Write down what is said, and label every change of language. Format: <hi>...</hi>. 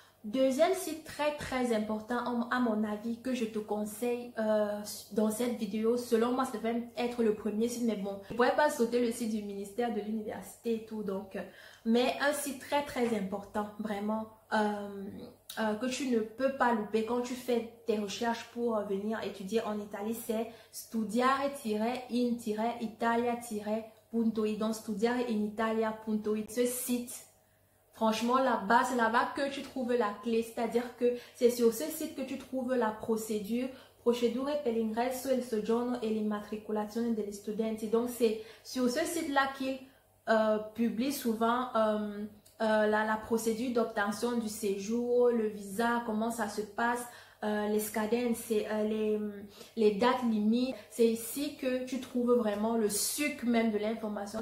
<fr>Deuxième site très très important à mon avis que je te conseille dans cette vidéo, selon moi ça devrait être le premier site, mais bon, je ne pourrais pas sauter le site du ministère de l'université et tout, donc, mais un site très très important vraiment que tu ne peux pas louper quand tu fais tes recherches pour venir étudier en Italie, c'est studiare-in-italia.it, donc studiare-in-italia.it, ce site. Franchement, là-bas, c'est là-bas que tu trouves la clé. C'est-à-dire que c'est sur ce site que tu trouves la procédure.</fr> <it>Procedure per l'ingresso, il soggiorno e l'immatricolazione degli studenti.</it> <fr>Donc, c'est sur ce site-là qu'ils publient souvent la procédure d'obtention du séjour, le visa, comment ça se passe, les scadences, les dates limites. C'est ici que tu trouves vraiment le sucre même de l'information.</fr>